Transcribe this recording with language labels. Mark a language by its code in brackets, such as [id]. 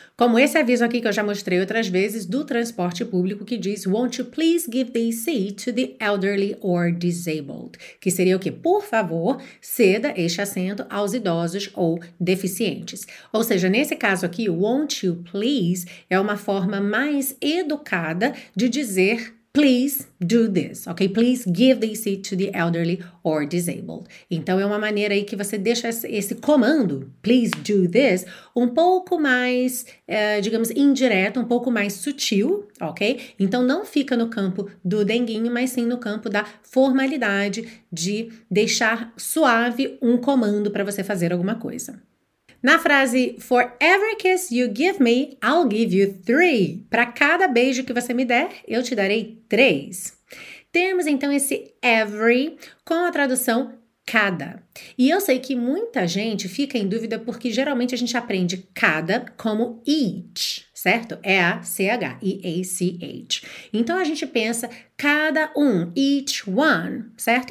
[pt] Como esse aviso aqui que eu já mostrei outras vezes do transporte público que diz [en] won't you please give the seat to the elderly or disabled? [pt] Que seria o quê? Por favor, ceda este assento aos idosos ou deficientes. Ou seja, nesse caso aqui, [en] won't you please [pt] é uma forma mais educada de dizer [en] please do this, [pt] ok? [en] Please give the seat to the elderly or disabled. [pt] Então, é uma maneira aí que você deixa esse comando, [en] please do this, [pt] um pouco mais, digamos, indireto, um pouco mais sutil, ok? Então, não fica no campo do denguinho, mas sim no campo da formalidade de deixar suave um comando para você fazer alguma coisa. Na frase [en] "For every kiss you give me, I'll give you three." [pt] Para cada beijo que você me der, eu te darei três. Temos então esse every com a tradução cada. E eu sei que muita gente fica em dúvida porque geralmente a gente aprende cada como each, certo? É a CH, EACH. Então a gente pensa cada um, [en] each one, [pt] certo?